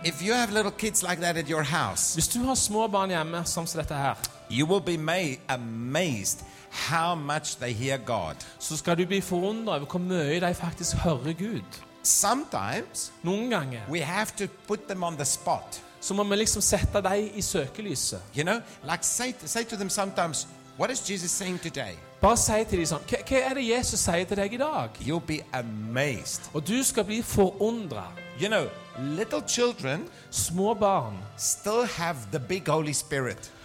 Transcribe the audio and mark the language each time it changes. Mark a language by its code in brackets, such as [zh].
[en] If you have little kids like that at your house. [no] Hvis du har små barn hjemme som dette her. [en] You will be amazed how much they hear God. [no] Så skal du bli forundret over hvor mye de faktisk hører Gud. [en] Sometimes. [no] Noen ganger. [en] We have to put them on the spot. [no] Så må man liksom sette deg I søkelyset. [en] You know, like say to them sometimes, what is Jesus saying today? [no] Bare si til dem sånn, hva det Jesus sier til deg I dag? [en] You'll be amazed. [no] Og du skal bli forundret. [en] You know, little children, [no] små barn, [en] still have the big Holy Spirit.